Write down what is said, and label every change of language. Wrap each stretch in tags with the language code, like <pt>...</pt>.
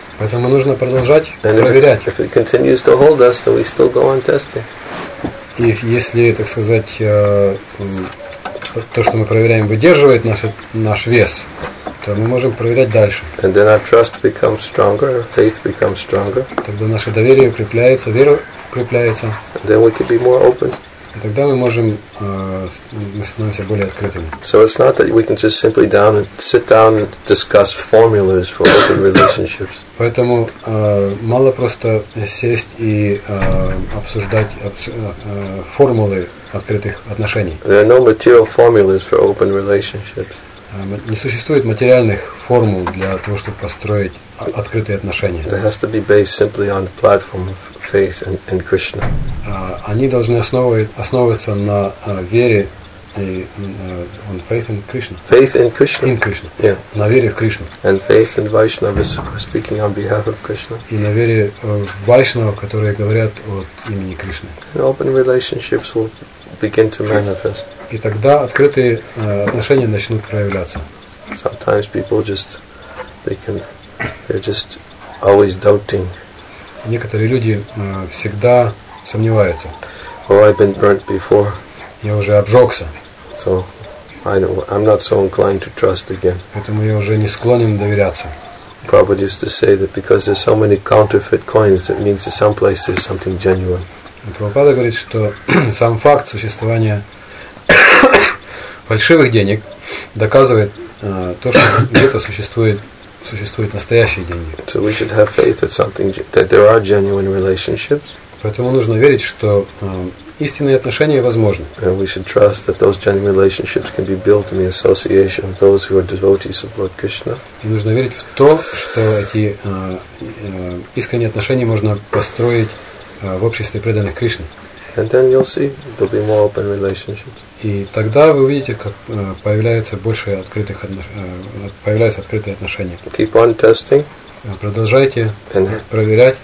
<ru>Поэтому нужно продолжать проверять.</ru> <en>If it continues to hold us, then we still go on testing.</en> <ru>И если, так сказать, то, что мы проверяем, выдерживает наш вес, то мы можем проверять дальше.</ru> <en>And then our trust becomes stronger, our faith becomes stronger.</en> <ru>Тогда наше доверие укрепляется, вера укрепляется.</ru> <en>And then we can be more open.</en> <ru>И тогда мы можем, мы становимся более открытыми.</ru> <en>So it's not that we can just simply down and sit down and discuss formulas for open relationships.</en> <ru>Поэтому мало просто сесть и обсуждать формулы открытых отношений.</ru> <en>There are no material formulas for open relationships.</en> <ru>Не существует материальных формул для того, чтобы построить открытые отношения.</ru> <en>It has to be based simply on the platform of faith in Krishna.</en> <ru>Они должны основываться на вере и</ru> <en>on faith in Krishna. Faith in Krishna. In Krishna. Yeah.</en> <ru>На вере в Кришну.</ru> <en>And faith in Vaishnavas speaking on behalf of Krishna.</en> <ru>И на вере Вайшнава, которые говорят от имени Кришны.</ru> <en>And open relationships will begin to manifest.</en> <ru>И тогда открытые отношения начнут проявляться.</ru> <en>Sometimes people just they're just always doubting.</en> <ru>Некоторые люди всегда сомневаются.</ru> <en>Well, I've been burnt before.</en> <ru>Я уже обжегся.</ru> <en>So I know I'm not so inclined to trust again.</en> <ru>Поэтому я уже не склонен доверяться.</ru> <en>Prabhupada used to say that because there's so many counterfeit coins, that means that someplace there's something genuine.</en> <ru>Прабхупада говорит, что сам факт существования фальшивых денег доказывает то, что где-то существуют настоящие деньги.</ru> <en>So we should have faith that something that there are genuine relationships.</en> <ru>Поэтому нужно верить, что истинные отношения возможны.</ru> <en>And we should trust that those genuine relationships can be built in the association of those who are devotees of Lord Krishna.</en> <ru>И нужно верить в то, что эти искренние отношения можно построить в обществе преданных Кришны.</ru> <en>And then you'll see there'll be more open relationships.</en> <ru>И тогда вы увидите, как появляется больше открытых появляются открытые отношения.</ru> <en>Keep on testing.</en> <ru>Продолжайте проверять.</ru>